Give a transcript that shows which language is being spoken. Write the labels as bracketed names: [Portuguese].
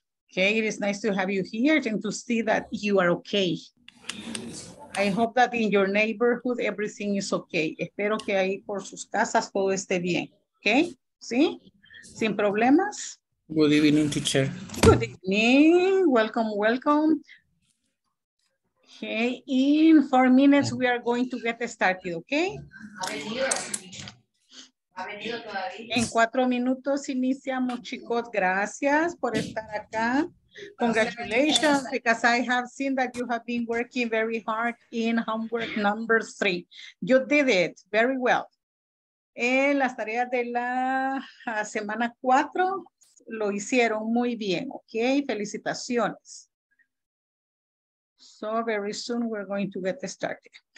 [English] Okay, it is nice to have you here and to see that you are okay. I hope that in your neighborhood, everything is okay. [Spanish] Espero que ahí por sus casas todo esté bien. Okay? ¿Sí? ¿Sin problemas? [English] Good evening, teacher. Good evening. Welcome, welcome. Okay, in 4 minutes, we are going to get started, okay? [Spanish] En 4 minutos iniciamos, chicos. Gracias por estar acá. [English] Congratulations, because I have seen that you have been working very hard in homework number 3. You did it very well. [Spanish] En las tareas de la semana 4, lo hicieron muy bien, okay? Felicitaciones. [English] So very soon we're going to get started.